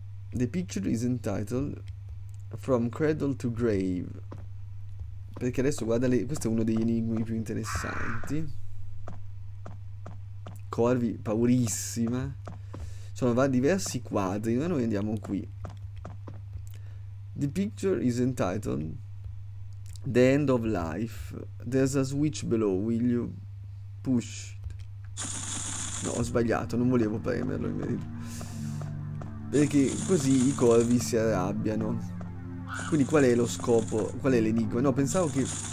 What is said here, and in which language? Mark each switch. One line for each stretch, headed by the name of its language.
English: The picture is entitled From Cradle to Grave.
Italian: Perché adesso guarda le... Questo è uno degli enigmi più interessanti. Corvi, paurissima. Sono diversi quadri, ma noi andiamo qui.
English: The picture is entitled The End of Life. There's a switch below, will you push?
Italian: No, ho sbagliato, non volevo premerlo in verità. Perché così i corvi si arrabbiano. Quindi qual è lo scopo? Qual è l'enigma? No, pensavo che...